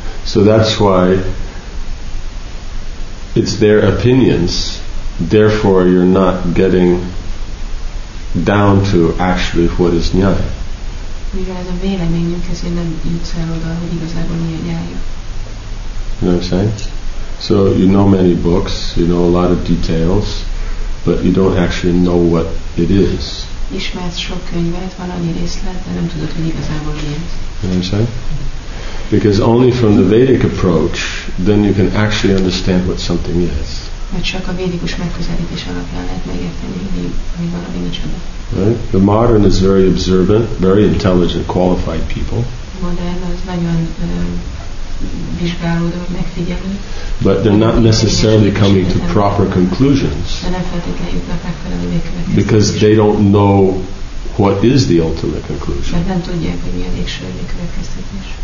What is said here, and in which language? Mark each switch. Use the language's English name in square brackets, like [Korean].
[English] So that's why it's their opinions, therefore you're not getting down to actually what is nyaya. [Hungarian] Mivel ez a véleményünk, ezért nem jutsz el oda, hogy igazából mi a nyája. [English] You know what I'm saying? So you know many books, you know a lot of details, but you don't actually know what it is. [Hungarian] Ismert sok könyvet, van annyi részlet, de nem tudod, hogy igazából mi ez. [English] You understand? Because only from the Vedic approach, then you can actually understand what something is. [Hungarian] Mert csak a védikus megközelítés alapján lehet megérteni, hogy valami micsoda. [English] Right? The modern is very observant, very intelligent, qualified people. [Hungarian] Modern az nagyon vizsgálódó, megfigyelő. [English] But they're not necessarily coming to proper conclusions. [Hungarian] De nem feltétlenül jutnak megfelelő végkövetkezésre. [English] Because they don't know what is the ultimate conclusion. [Hungarian] Mert nem tudják, hogy mi a végső végkövetkeztetés.